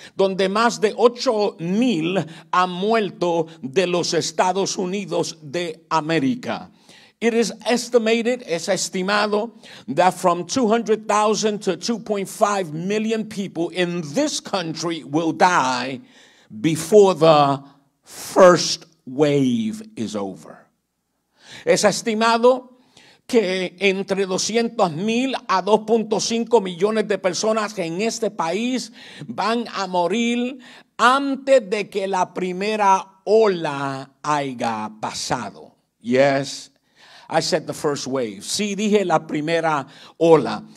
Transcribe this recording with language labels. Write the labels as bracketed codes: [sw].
[es] Donde más de 8,000 han muerto de los Estados Unidos de América. [en] It is estimated, [es] es estimado, [en] that from 200,000 to 2.5 million people in this country will die before the first wave is over. [es] Es estimado que entre 200,000 a 2.5 millones de personas en este país van a morir antes de que la primera ola haya pasado. [en] Yes, I said the first wave. [es] Sí, dije la primera ola.